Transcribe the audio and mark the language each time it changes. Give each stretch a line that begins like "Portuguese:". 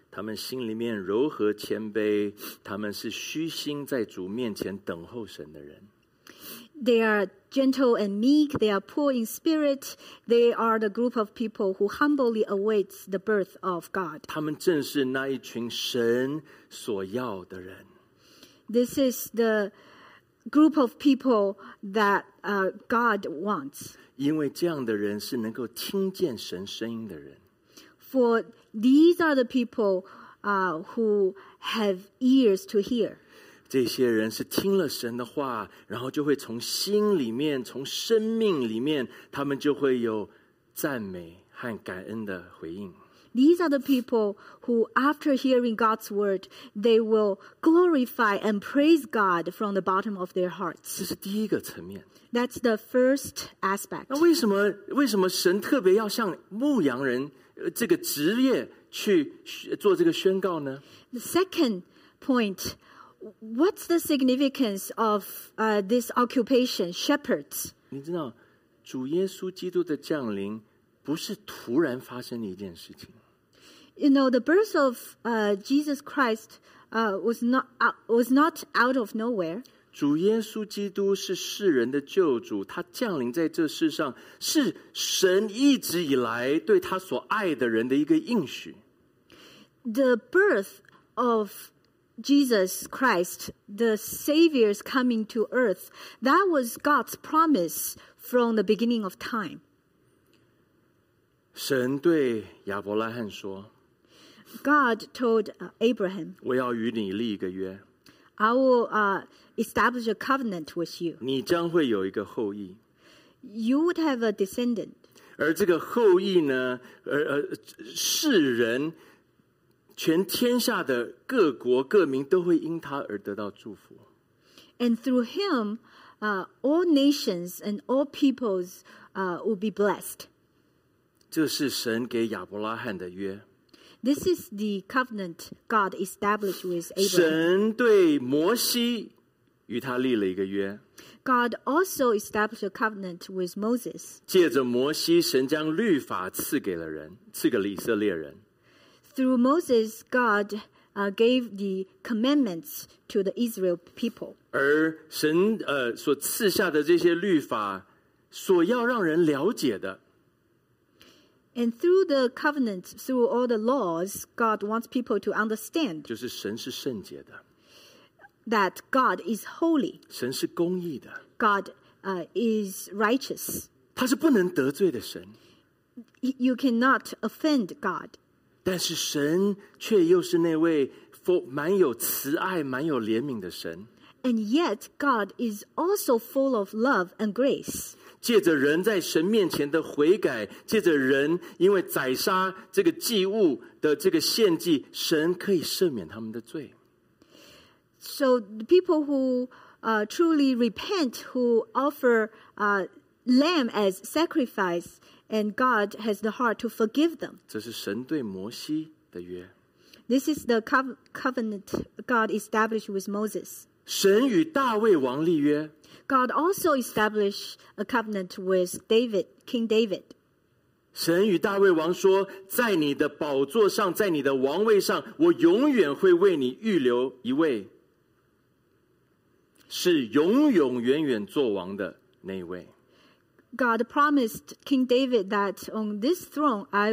Chinese: 他们心里面柔和谦卑，他们是虚心在主面前等候神的人。
English: They are gentle and meek. They are poor in spirit. They are the group of people who humbly awaits the birth of God.
Chinese: 他们正是那一群神所要的人。
English: This is the group of people that God wants.
Chinese: 因为这样的人是能够听见神声音的人。
English: For these are the people who have ears to hear.
Chinese: 这些人是听了神的话，然后就会从心里面，从生命里面，他们就会有赞美和感恩的回应。
English: These are the people who, after hearing God's word, they will glorify and praise God from the bottom of their hearts.
Chinese: 这是第一个层面。
English: That's the first aspect.
Chinese: 那为什么神特别要向牧羊人这个职业去做这个宣告呢？
English: The second point. What's the significance of this occupation, shepherds?
Chinese: 你知道，主耶稣基督的降临不是突然发生的一件事情。
English: You know, the birth of Jesus Christ was not out of nowhere.
Chinese: 主耶稣基督是世人的救主，他降临在这世上，是神一直以来对他所爱的人的一个应许。
English: The birth of Jesus Christ, the Savior's coming to earth, that was God's promise from the beginning of time.
Chinese: 神对亚伯拉罕说，
English: God told Abraham,
Chinese: 我要与你立一个约，
English: I will establish a covenant with you.
Chinese: 你将会有一个后裔，
English: You would have a descendant.
Chinese: 而这个后裔呢，世人全天下的各国各民都会因他而得到祝福。
English: And through him, all nations and all peoples will be blessed.
Chinese: 这是神给亚伯拉罕的约。
English: This is the covenant God established with Abraham.
Chinese: 神对摩西与他立了一个约。
English: God also established a covenant with Moses.
Chinese: 借着摩西，神将律法赐给了人，赐给了以色列人。
English: Through Moses, God gave the commandments to the Israel people.
Chinese: 而神所赐下的这些律法，所要让人了解的。
English: And through the covenant, through all the laws, God wants people to understand.
Chinese: 就是神是圣洁的。
English: That God is holy.
Chinese: 神是公义的。
English: God is righteous.
Chinese: 他是不能得罪的神。
English: You cannot offend God.
Chinese: 但是神却又是那位满有慈爱、满有怜悯的神。
English: And yet God is also full of love and grace.
Chinese: 借着人在神面前的悔改，借着人因为宰杀这个祭物的这个献祭，神可以赦免他们的罪。
English: So the people who truly repent, who offer lamb as sacrifice. And God has the heart to forgive them.
Chinese: 这是神对摩西的约。
English: This is the covenant God established with Moses.
Chinese: 神与大卫王立约。
English: God also established a covenant with David, King David.
Chinese: 神与大卫王说，在你的宝座上，在你的王位上，我永远会为你预留一位，是永永远远做王的那一位。
English: God promised King David that on this throne